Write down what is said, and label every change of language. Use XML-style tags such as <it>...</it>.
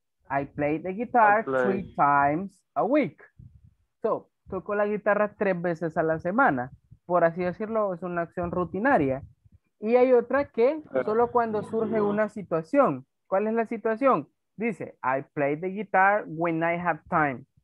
<en>I play the guitar three times a week.</en> <es>So, toco la guitarra tres veces a la semana. Por así decirlo, es una acción rutinaria. Y hay otra que solo cuando surge una situación. ¿Cuál es la situación?</es> <en>Dice, I play the guitar when I have time.</en>